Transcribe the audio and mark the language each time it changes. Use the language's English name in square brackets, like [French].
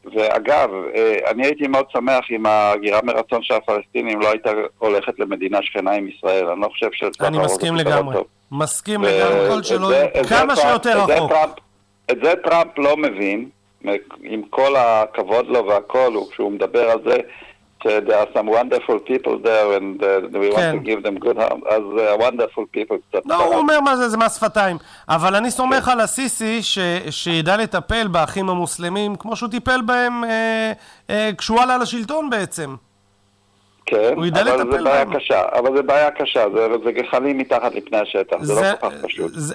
[Hebrew] ואגב, אני הייתי מאוד שמח אם הגירה מרצון של הפלסטינים לא הייתה הולכת למדינה שכנה עם ישראל. אני לא חושב שזה... אני מסכים לגמרי. מסכים לגמרי, כל שלא... כמה שיותר רחוק. את זה טראמפ לא מבין, עם כל הכבוד לו והכל, כשהוא מדבר על זה... [English] there are some wonderful people there and we want to give them good as wonderful people. [Hebrew] לא, הוא אומר מה זה, זה מה שפתיים. אבל אני סומך על הסיסי שידע לטפל באחים המוסלמים כמו שהוא טיפל בהם כשהוא עלה לשלטון בעצם. כן, אבל זה בעיה קשה. אבל זה בעיה קשה, זה גחלים מתחת לפני השטח, זה לא כל כך פשוט.